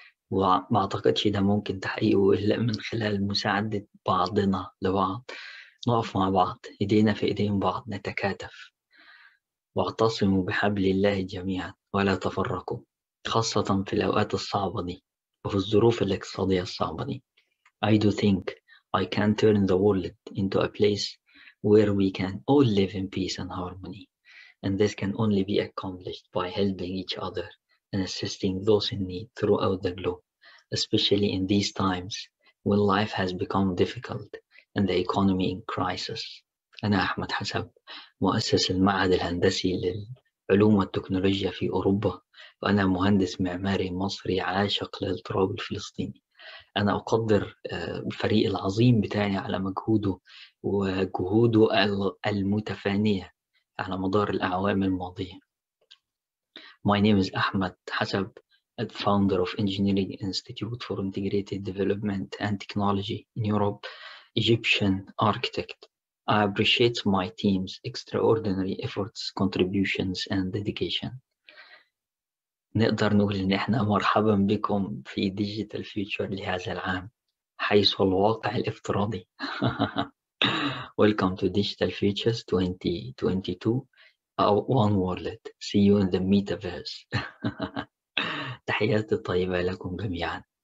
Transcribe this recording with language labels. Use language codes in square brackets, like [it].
[ar] وما أعتقدش ده ممكن تحقيقه إلا من خلال مساعدة بعضنا لبعض. نقف مع بعض إيدينا في إيدين بعض نتكاتف. واعتصموا بحبل الله جميعا ولا تفرقوا خاصة في الأوقات الصعبة دي وفي الظروف الاقتصادية الصعبة دي. [en] I do think I can turn the world into a place where we can all live in peace and harmony. And this can only be accomplished by helping each other and assisting those in need throughout the globe, especially in these times when life has become difficult and the economy in crisis. [ar] أنا أحمد حسب مؤسس المعهد الهندسي للعلوم والتكنولوجيا في أوروبا وأنا مهندس معماري مصري عاشق للتراب الفلسطيني. أنا أقدر الفريق العظيم بتاعي على مجهوده وجهوده المتفانية على مدار الأعوام الماضية. [en] My name is Ahmed Hasab, founder of Engineering Institute for Integrated Development and Technology in Europe, Egyptian architect. I appreciate my team's extraordinary efforts, contributions, and dedication. [ar] نقدر نقول إن إحنا مرحبا بكم في Digital Future لهذا العام حيث الواقع الافتراضي. [en] Welcome to Digital Futures 2022, One World. See you in the metaverse. [ar] تحياتي طيبة لكم جميعا.